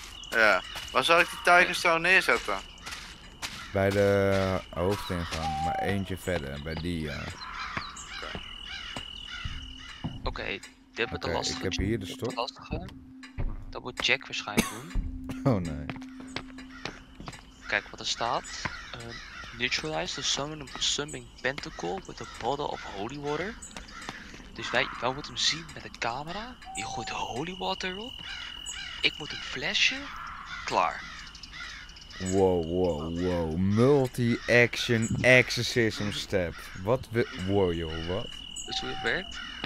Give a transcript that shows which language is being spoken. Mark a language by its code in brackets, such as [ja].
[nl] Ja, waar zal ik die tijgerstone neerzetten? Bij de hoofdingang, maar eentje verder, bij die. Oké, dit wordt de lastige. Ik heb hier de stok. Dat moet Jack waarschijnlijk doen. Oh nee. Kijk wat er staat. [en] Neutralize the summoning pentacle with a bottle of holy water. [nl] Dus wij moeten hem zien met de camera. Je gooit holy water op. Ik moet een flesje. Klaar. [en] Wow. Multi-action exorcism step. [nl] Wat? Dus hoe het werkt?